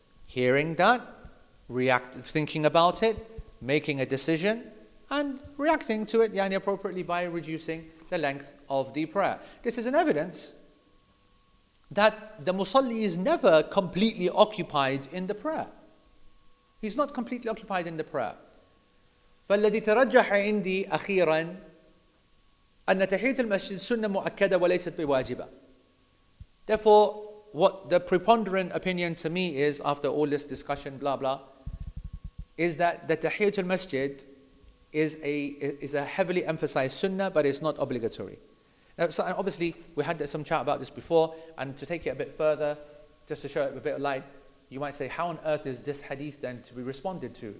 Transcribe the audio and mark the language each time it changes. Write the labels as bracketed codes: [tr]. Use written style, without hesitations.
[en] Hearing that, thinking about it, making a decision, and reacting to it appropriately by reducing the length of the prayer. This is an evidence that the musalli is never completely occupied in the prayer. He's not completely occupied in the prayer. [ar] فالذي ترجح عندي أخيرا أن تحية المسجد سنة مؤكدة وليست بواجبة. [en] Therefore, what the preponderant opinion to me is, after all this discussion, blah blah, is that the تحية المسجد is a heavily emphasized sunnah, but it's not obligatory. Now, so obviously, we had some chat about this before, and to take it a bit further, just to show it a bit of light, you might say, how on earth is this hadith then to be responded to?